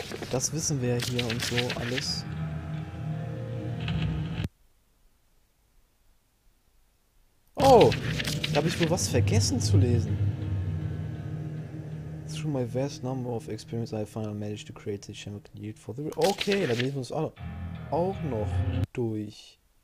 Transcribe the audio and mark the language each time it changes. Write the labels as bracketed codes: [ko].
[de] Das wissen wir ja hier und so alles. Oh! Da habe ich wohl was vergessen zu lesen. [en] Through my vast number of experiments, I finally managed to create the chemical need for the... [de] Okay, dann lesen wir uns auch noch durch.